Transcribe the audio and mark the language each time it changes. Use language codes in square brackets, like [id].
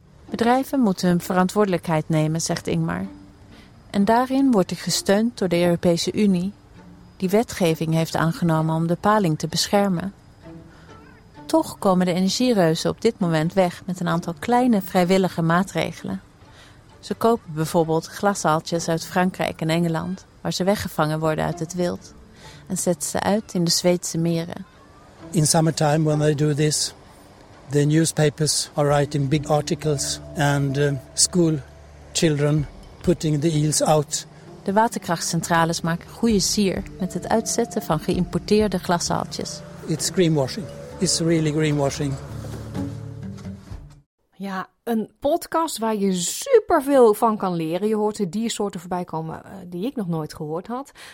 [nl] Bedrijven moeten hun verantwoordelijkheid nemen, zegt Ingmar. En daarin word ik gesteund door de Europese Unie, die wetgeving heeft aangenomen om de paling te beschermen. Toch komen de energiereuzen op dit moment weg met een aantal kleine vrijwillige maatregelen. Ze kopen bijvoorbeeld glasaaltjes uit Frankrijk en Engeland, waar ze weggevangen worden uit het wild, en zetten ze uit in de Zweedse meren. [en] In summertime, when they do this, the newspapers are writing big articles and school children putting the eels out. [nl] De waterkrachtcentrales maken goede sier met het uitzetten van geïmporteerde glasaaltjes. [en] It's greenwashing. It's really greenwashing. [nl] Ja, een podcast waar je superveel van kan leren. Je hoort de diersoorten voorbij komen die ik nog nooit gehoord had.